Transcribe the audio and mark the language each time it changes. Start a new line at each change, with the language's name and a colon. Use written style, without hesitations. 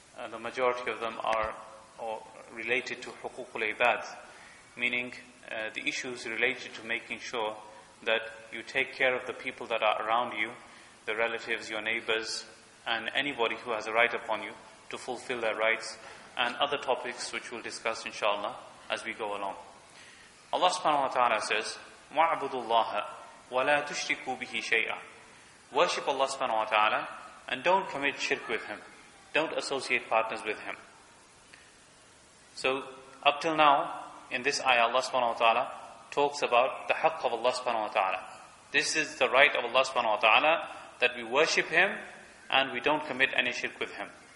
English: The majority of them are related to Huququl Ibad, meaning the issues related to making sure that you take care of the people that are around you, the relatives, your neighbors, and anybody who has a right upon you to fulfill their rights, and other topics which we'll discuss inshallah as we go along.
Arabic: Allah subhanahu wa ta'ala says, وَعْبُدُ اللَّهَ وَلَا تُشْرِكُوا بِهِ شَيْئًا.
English: Worship Allah subhanahu wa ta'ala and don't commit shirk with Him. Don't associate partners with Him. So, up till now, in this ayah, Allah subhanahu wa ta'ala talks about the haqq of Allah subhanahu wa ta'ala. This is the right of Allah subhanahu wa ta'ala that we worship Him and we don't commit any shirk with Him.